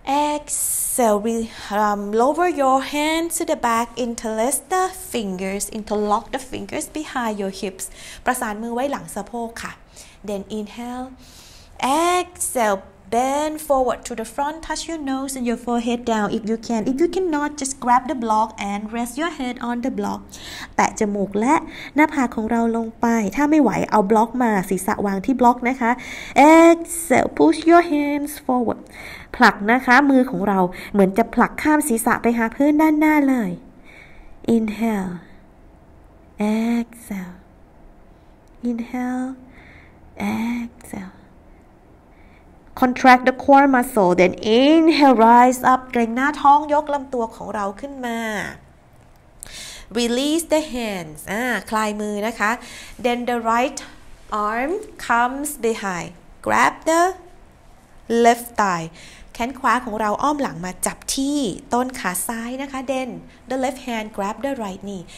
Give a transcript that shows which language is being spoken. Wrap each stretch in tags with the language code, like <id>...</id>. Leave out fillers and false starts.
<en>Exhale lower your hands to the back interlace the fingers interlock the fingers behind your hips</en> <th>ประสานมือไว้หลังสะโพกค่ะ</th> <en>Then inhale exhaleBend forward to the front, touch your nose and your forehead down if you can. If you cannot, just grab the block and rest your head on the block.</en> <th>แตะจมูกและหน้าผากของเราลงไปถ้าไม่ไหวเอาบล็อกมาศีรษะวางที่บล็อกนะคะ</th> <en>Exhale, push your hands forward.</en> <th>ผลักนะคะมือของเราเหมือนจะผลักข้ามศีรษะไปหาพื้นด้านหน้าเลย</th> <en>Inhale, exhale. Inhale, exhaleContract the core muscle, then inhale, rise up.</en> <th>เกรงหน้าท้องยกลำตัวของเราขึ้นมา</th> <en>Release the hands.</en> <th>คลายมือนะคะ</th> <en>Then the right arm comes behind. Grab the left thigh.</en> <th>แขนขวาของเราอ้อมหลังมาจับที่ต้นขาซ้ายนะคะ</th> <en>Then the left hand grab the right knee.</en>